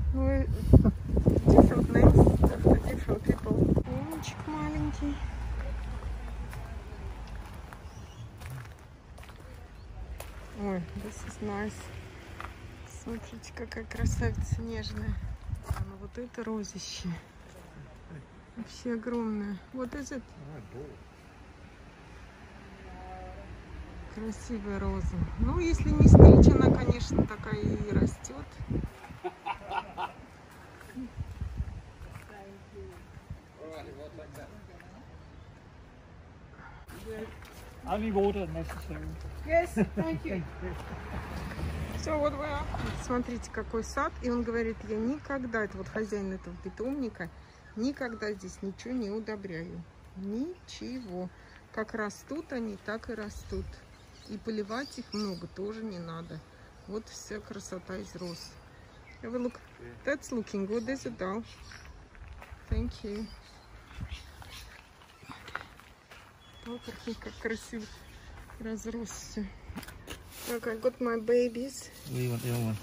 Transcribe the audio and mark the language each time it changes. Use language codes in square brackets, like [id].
[en] Ну, different names for different people. [ru] Умничек маленький. [en] Ой, this is nice. [ru] Смотрите, какая красавица нежная. А, ну вот это розище. Вообще огромное. Вот [en] is it? [ru] Красивая роза. Ну, если не стричь, она, конечно, такая и растет. [en] Only water necessary. Yes, thank you. So what we are? [ru] Смотрите, какой сад. И он говорит, я никогда, это вот хозяин этого питомника, никогда здесь ничего не удобряю. Ничего. Как растут они, так и растут. И поливать их много тоже не надо. Вот вся красота из роз. [en] Have a look. That's looking good, is it all? Thank you. [ru] Как красиво разросся. [en] Так, I got my babies. Where you want the other one?